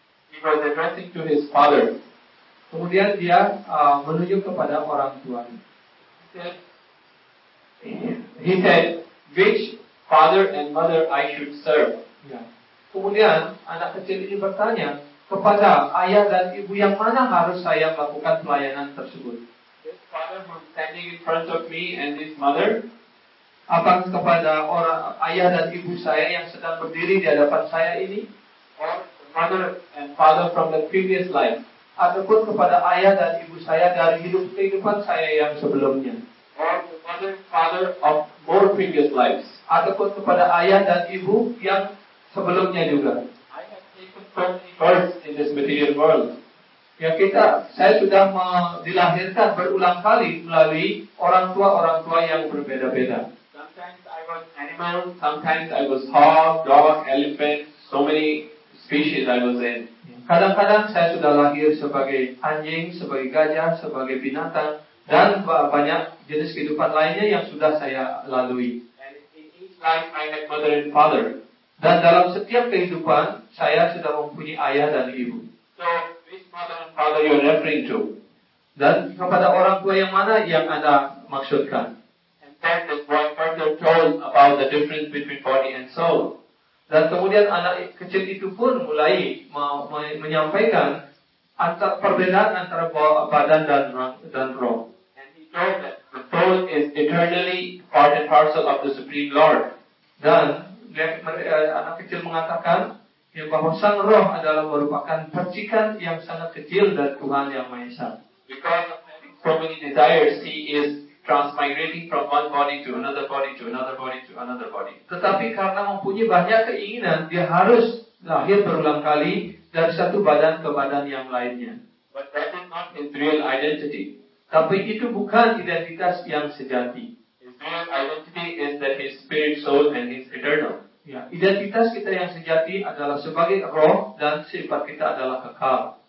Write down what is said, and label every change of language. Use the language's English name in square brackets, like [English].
[English] He was addressing to his father. [Indonesian] Kemudian dia menuju kepada orang tuanya. [English] He said, "Which father and mother I should serve?" [Indonesian] Kemudian anak kecil ini bertanya, "Kepada ayah dan ibu yang mana harus saya melakukan pelayanan tersebut?" [English] "This father who's standing in front of me and this mother." [Indonesian] Apa kepada orang ayah dan ibu saya yang sedang berdiri di hadapan saya ini? [English] Or mother and father from the previous life. [Indonesian] Ataupun kepada ayah dan ibu saya dari hidup kehidupan saya yang sebelumnya. [English] Or mother father of more previous lives. [Indonesian] Ataupun kepada ayah dan ibu yang sebelumnya juga. [English] I have birth in this material world. [Indonesian] Ya kita, saya sudah dilahirkan berulang kali melalui orang tua yang berbeda-beda. [English] Sometimes I was animal, sometimes I was hog, dog, elephant, so many species I was in. [Indonesian] Kadang-kadang saya sudah lahir sebagai anjing, sebagai gajah, sebagai binatang, dan banyak jenis kehidupan lainnya yang sudah saya lalui. [English] And in each life I had mother and father. [Indonesian] Dan dalam setiap kehidupan saya sudah mempunyai ayah dan ibu. [English] So, which mother and father you're referring to? [Indonesian] Dan kepada orang tua yang mana yang Anda maksudkan? [English] And then the boy further told about the difference between body and soul. [Indonesian] Dan kemudian anak kecil itu pun mulai menyampaikan antara perbedaan antara badan dan roh. [English] And he told that the soul is eternally part and parcel of the Supreme Lord. [Indonesian] Dan anak kecil mengatakan yang bahwa sang roh adalah merupakan percikan yang sangat kecil dari Tuhan Yang Maha Esa. [English] Because of having so many desires, he is transmigrating from one body to another body to another body to another body. [Indonesian] Tetapi karena mempunyai banyak keinginan, dia harus lahir berulang kali dari satu badan ke badan yang lainnya. [English] But that is not his real identity. [Indonesian] Tapi itu bukan identitas yang sejati. [English] His real identity is that his spirit, soul, and his eternal. [Indonesian] Ya, identitas kita yang sejati adalah sebagai roh dan sifat kita adalah kekal.